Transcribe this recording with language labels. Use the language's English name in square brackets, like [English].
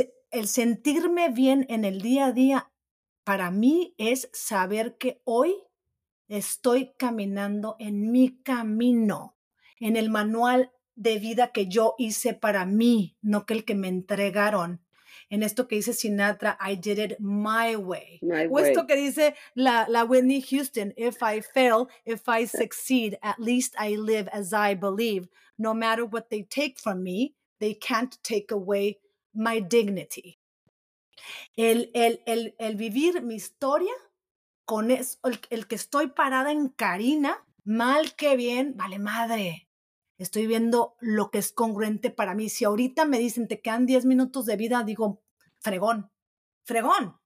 [Spanish] El sentirme bien en el día a día para mí es saber que hoy estoy caminando en mi camino, en el manual de vida que yo hice para mí, no que el que me entregaron. En esto que dice Sinatra, [English] I did it my way. [Spanish] No hay O esto [English] way. [Spanish] que dice la Whitney Houston, [English] if I succeed, at least I live as I believe. No matter what they take from me, they can't take away my dignity. [Spanish] El vivir mi historia con eso, el que estoy parada en Karina, mal que bien, vale madre. Estoy viendo lo que es congruente para mí. Si ahorita me dicen, te quedan 10 minutos de vida, digo, fregón, fregón.